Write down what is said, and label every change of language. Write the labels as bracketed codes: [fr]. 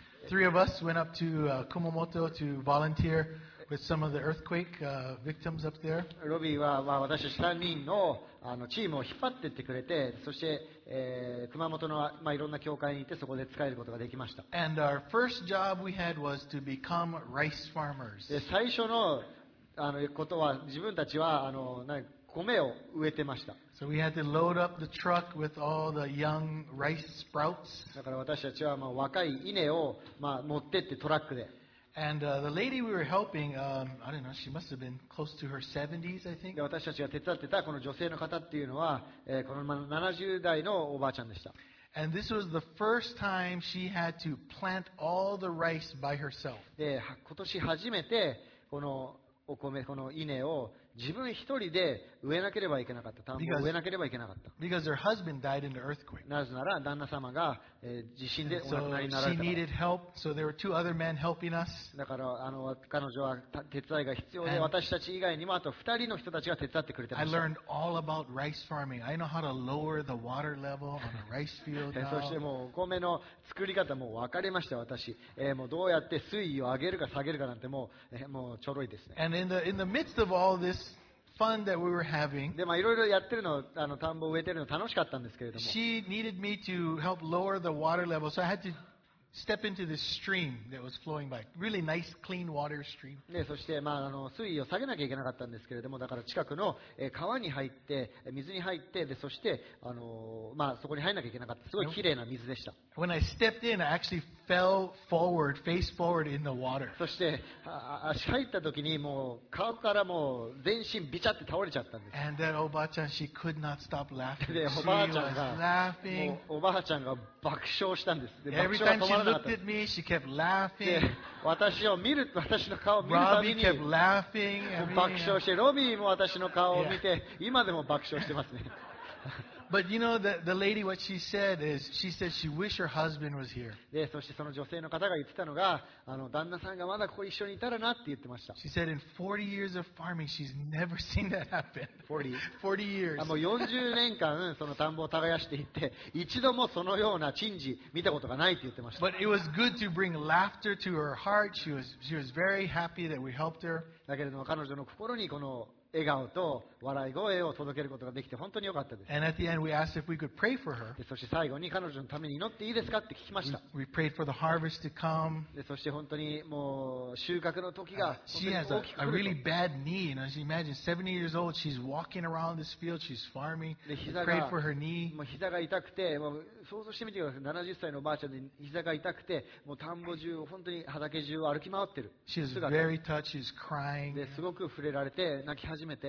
[en] Three of us went up to Kumamoto to volunteer with some of the earthquake victims up there. [ja] Robbie は、まあ、私たち3人の、チームを引っ張ってってくれて、そして、熊本の、まあ、いろんな教会に行ってそこで使えることができました。 [en] And our first job we had was to become rice farmers. [ja] 最初の、ことは自分たちは米を植えてました。 [en] So we had to load up the truck with all the young rice sprouts. [ja] だから私たちはまあ若い稲をまあ持ってってトラックで。 [en] And the lady we were helping, I don't know, she must have been close to her 70s, I think. [ja] 私たちが手伝ってたこの女性の方っていうのは、このまま70代のおばあちゃんでした。 [en] And this was the first time she had to plant all the rice by herself. [ja] で、今年初めてこのお米、この稲を自分一人で植えなければいけなかった。田んぼを植えなければいけなかった。 [en] Because her husband died in the earthquake. [ja] なぜなら旦那様が、地震でお亡くなりになられ [en] た。So she needed help. So there were two other men helping us. [ja] だから彼女は手伝いが必要で、私たち以外にもあと二人の人たちが手伝ってくれてました。 [en] I learned all about rice farming. I know how to lower the water level on a rice field. [ja] そしてもうお米の作り方も分かりました私。もうどうやって水位を上げるか下げるかなんてもうちょろいですね。 [en] And in the midst of all thisFun that we were having. [ja] でまあいろいろやってるの、あの田んぼ植えてるの楽しかったんですけれども。 [en] She needed me to help lower the water level, so I had to step into this stream that was flowing by. Really nice, clean water stream. [ja] でそしてまああの水位を下げなきゃいけなかったんですけれども、だから近くの川に入って水に入ってでそしてあのまあそこに入らなきゃいけなかった。すごい綺麗な水でした。 [en] When I stepped in, I actually fell forward, face forward in the water. [ja] そして足入った時にもう川からもう全身ビチャって倒れちゃったんです。 [en] And that おばあちゃん she could not stop laughing. [ja] でおばあちゃんが [en] laughing. [ja] おばあちゃんが爆笑したんです。爆笑が止まらなかった。 [en] Every time she looked at me, she kept laughing. [ja] 私を見る私の顔を見るたびに [en] kept laughing. [ja] 爆笑してロビーも私の顔を見て、yeah. 今でも爆笑してますね。 [en] But you know the lady what she said is she said she wish her husband was here. [ja] でそしてその女性の方が言ってたのがあの旦那さんがまだここ一緒にいたらなって言ってました。 [en] She said in 40 years of farming she's never seen that happen. 40 years. [ja] あもう40年間その田んぼを耕していって一度もそのような珍事見たことがないって言ってました。 [en] But it was good to bring laughter to her heart. She was very happy that we helped her. [ja] だけれども彼女の心にこの笑顔と笑い声を届けることができて本当に良かったです。 [en] And at the end we asked if we could pray for her. [ja] そして最後に彼女のために祈っていいですかって聞きました。 [en] We prayed for the harvest to come. [ja] でそして本当にもう収穫の時が本当に大きく来ると。 [en] She has a really bad knee. And as you imagine, 70 years old, she's walking around this field, she's farming. [ja] で膝が [en] prayed for her knee. [ja] もう膝が痛くて、もう想像してみてください。70歳のおばあちゃんで膝が痛くて、もう田んぼ中本当に畑中を歩き回ってる。 [en] She is very touched. She's crying. [ja] ですごく触れられて泣き始め